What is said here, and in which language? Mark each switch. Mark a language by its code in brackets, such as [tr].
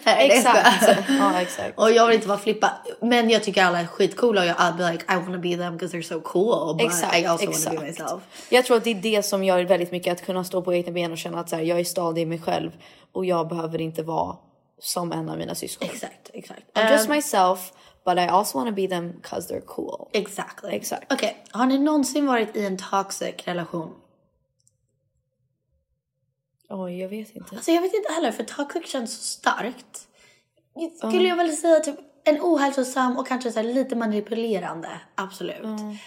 [sv] Exakt. Ja, exakt. Och jag vill inte vara Filippa. Men jag tycker alla är skitcoola. Och jag [en] I'll be like, I wanna be them because they're so cool. But [sv] exakt. [en] I also [sv] exakt. [en] Wanna be myself. [sv] Jag tror att det är det som gör väldigt mycket. Att kunna stå på egna ben och känna att så här, jag är stadig i mig själv. Och jag behöver inte vara... Som en av mina syskon. Exakt. [en] I'm just myself, but I also want to be them because they're cool. Exactly. Okej, okay. [sv] Har ni någonsin varit i en toxic relation? Oj, jag vet inte. Alltså jag vet inte heller, för toxic känns så starkt. Skulle jag väl säga typ en ohälsosam och kanske så här lite manipulerande, absolut. Mm.